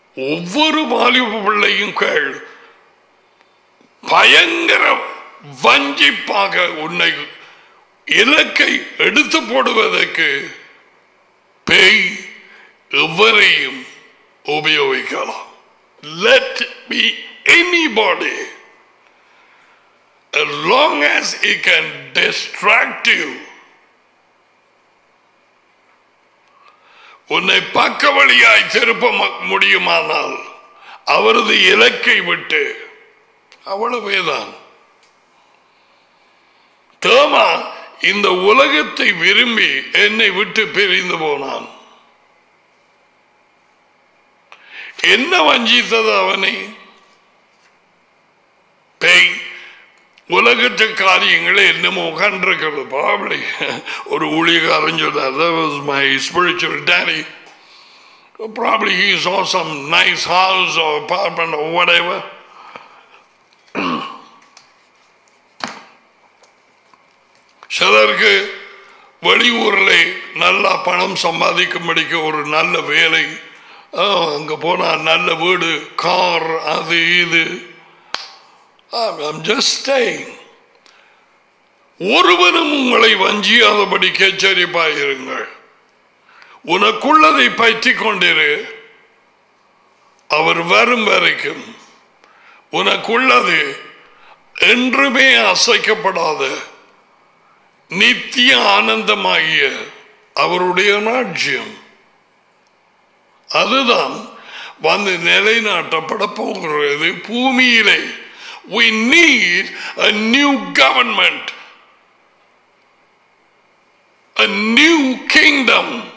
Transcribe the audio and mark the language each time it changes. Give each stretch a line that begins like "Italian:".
Tamil: ஒவ்வொரு வாலிப பிள்ளையும் கேள், பயங்கர வஞ்சிப்பாக உன்னை இலக்கை எடுத்து போடுவதற்கு பேய் எவரையும் உபயோகிக்கலாம்.
English: Let be anybody as long as it can distract you.
Tamil: உன்னை பக்க வழியாய் திருப்ப முடியுமானால் அவரது இலக்கை விட்டு அவ்வளவேதான். தேமா இந்த உலகத்தை விரும்பி என்னை விட்டு பிரிந்து போனான். என்ன வஞ்சித்தது அவனை? பேய், உலகத்து காரியங்களை என்னமோ கண்டிருக்கிறது. பாபடி ஒரு ஊழியக்காரன் சொன்னார்,
English: My spiritual daddy. Probably he saw some nice house or apartment or whatever.
Tamil: சிலருக்கு வெளியூரில் நல்லா பணம் சம்பாதிக்கும்படிக்கு ஒரு நல்ல வேலை, அங்கே போனால் நல்ல வீடு, கார், அது இது.
English: I'm just saying.
Tamil: ஒருவனும் உங்களை வஞ்சியாதபடி கேச்சரிப்பாயிருங்கள். உனக்குள்ளதை பற்றி கொண்டிரு, அவர் வரும் வரைக்கும் உனக்குள்ளது என்றுமே அசைக்கப்படாத நித்திய ஆனந்தமாகிய அவருடைய ராஜ்யம் அதுதான் வந்து நிலைநாட்டப்பட போகிறது பூமியிலே.
English: We need a new government, a new kingdom.